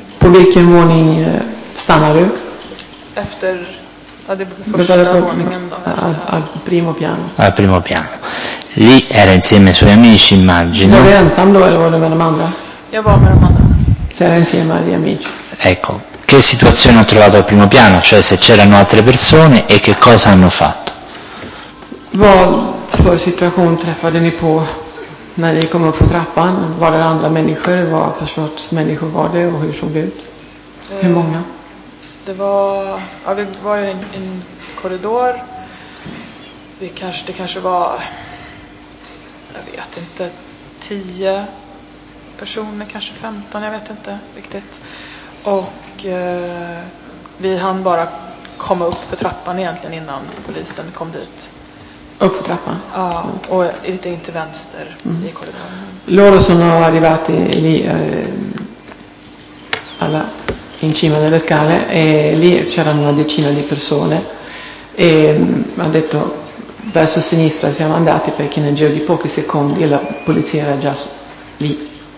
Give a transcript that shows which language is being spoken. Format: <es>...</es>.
<sv>På vilken våning stannar du? Efter, ja, det första våningen då.</sv> <it>Primo piano. Al primo piano. Lì era insieme ai suoi amici, immagino.</it> <sv>Var du ensam då eller var du med de andra? Jag var med de andra.</sv> <it>Sera insieme agli amici. Ecco. Che situazione ho trovato al primo piano? Cioè se c'erano altre persone e che cosa hanno fatto?</it> <sv>Vad för situation träffade ni på när ni kom upp på trappan? Var det andra människor? Vad för sorts människor var det och hur såg det ut? Hur många? Det var, ja, vi var i en korridor. Det kanske var, jag vet inte, 10 personer, kanske 15, jag vet inte riktigt. Och vi hann bara komma upp för trappan egentligen innan polisen kom dit. Upp för trappan? Ja, och lite in till vänster i korridoren.</sv> <it>Loro sono arrivati lì alla, in cima delle scale, e lì c'erano una decina di persone e ha detto verso sinistra siamo andati, perché nel giro di pochi secondi la polizia era già lì.</it>